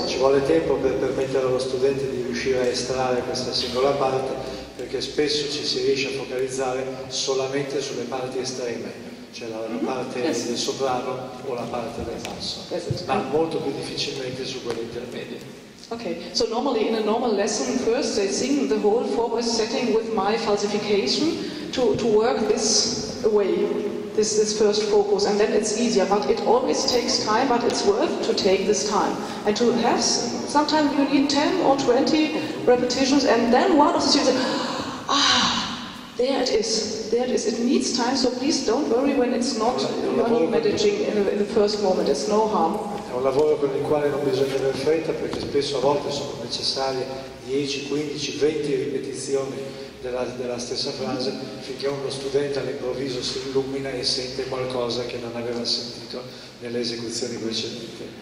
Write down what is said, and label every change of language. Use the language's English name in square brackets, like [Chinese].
[Italian] Ci vuole tempo per permettere allo studente di riuscire a estrarre questa singola parte perché spesso ci si riesce a focalizzare solamente sulle parti estreme. Cioè la parte del soprano o la parte del basso, ma molto più difficilmente su quelle intermedie. [English] Okay, so normally in a normal lesson first they sing the whole four-voice setting with my falsification to work this way, this first focus, and then it's easier, but it always takes time, but it's worth to take this time. And to have, sometimes you need 10 or 20 repetitions, and then one of the students, There it is. It needs time, so please don't worry when it's not managing in the first moment. It's no harm. [Italian] È un lavoro con il quale non bisogna avere fretta, perché spesso a volte sono necessarie 10, 15, 20 ripetizioni della stessa frase finché uno studente all'improvviso si illumina e sente qualcosa che non aveva sentito nelle esecuzioni precedenti.